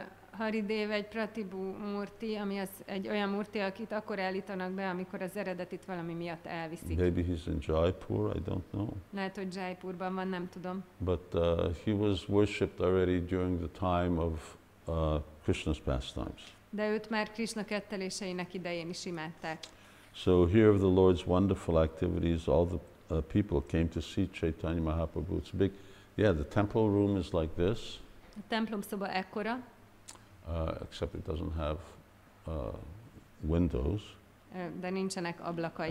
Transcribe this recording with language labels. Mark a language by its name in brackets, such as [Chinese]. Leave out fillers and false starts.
[Hungarian] Haridev egy Pratibhu Murti, ami az egy olyan murti, akit akkor állítanak be, amikor az eredetit valami miatt elviszik. [English] Maybe he's in Jaipur, I don't know. [Hungarian] Lehet, hogy Jaipurban van, nem tudom. [English] But he was worshipped already during the time of Krishna's pastimes. [Hungarian] De őt már Krishna ketteléseinek idején is imádták. [English] So here of the Lord's wonderful activities, all the people came to see Chaitanya Mahaprabhu. It's big. Yeah, the temple room is like this. [Hungarian] A templom szoba ekkora. [English] Except it doesn't have windows. [Hungarian] De nincsenek ablakai.